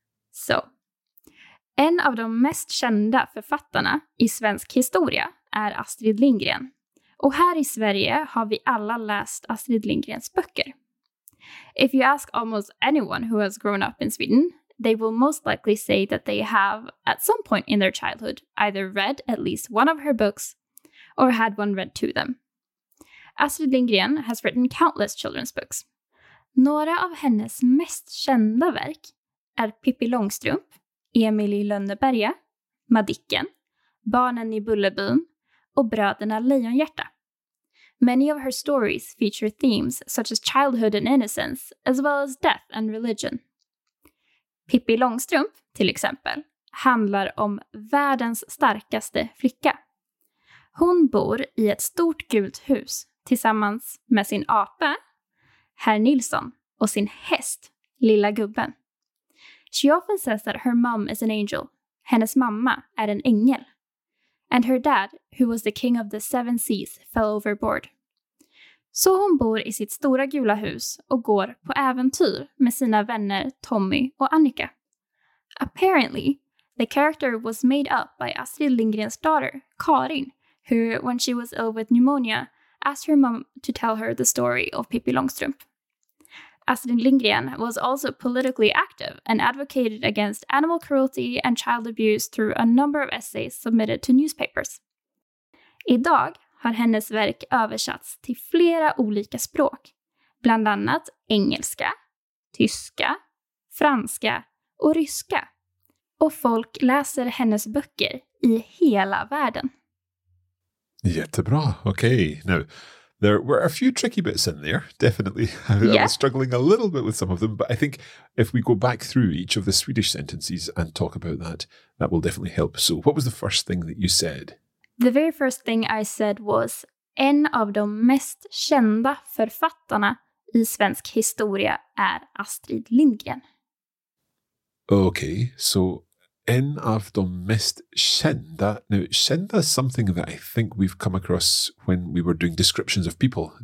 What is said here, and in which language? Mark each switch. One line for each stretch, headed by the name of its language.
Swedish: So, en av de mest kända författarna i svensk historia är Astrid Lindgren. Och här i Sverige har vi alla läst Astrid Lindgrens böcker.
English: If you ask almost anyone who has grown up in Sweden, they will most likely say that they have, at some point in their childhood, either read at least one of her books or had one read to them. Astrid Lindgren has written countless children's books.
Swedish: Några av hennes mest kända verk är Pippi Långstrump, Emil i Lönneberga, Madicken, Barnen i Bullerbyn och Bröderna Lejonhjärta.
English: Many of her stories feature themes such as childhood and innocence, as well as death and religion.
Swedish: Pippi Långstrump, till exempel, handlar om världens starkaste flicka. Hon bor i ett stort gult hus tillsammans med sin apa, Herr Nilsson, och sin häst, Lilla Gubben.
English: She often says that her mom is an angel.
Swedish: Hennes mamma är en ängel.
English: And her dad, who was the king of the seven seas, fell overboard.
Swedish: Så hon bor i sitt stora gula hus och går på äventyr med sina vänner Tommy och Annika.
English: Apparently, the character was made up by Astrid Lindgrens daughter, Karin, who, when she was ill with pneumonia, asked her mom to tell her the story of Pippi Långstrump. Astrid Lindgren was also politically active and advocated against animal cruelty and child abuse through a number of essays submitted to newspapers.
Swedish: Idag har hennes verk översatts till flera olika språk, bland annat engelska, tyska, franska och ryska. Och folk läser hennes böcker i hela världen. Jättebra, okej. Okay.
English: There were a few tricky bits in there, definitely. Yeah. I was struggling a little bit with some of them, but I think if we go back through each of the Swedish sentences and talk about that, that will definitely help. So what was the first thing that you said? The very first thing I said was,
Swedish: en av de mest kända författarna i svensk historia är Astrid Lindgren. Okej, så en av de mest kända...
English: Now, kända is something that I think we've come across when we were doing descriptions of people.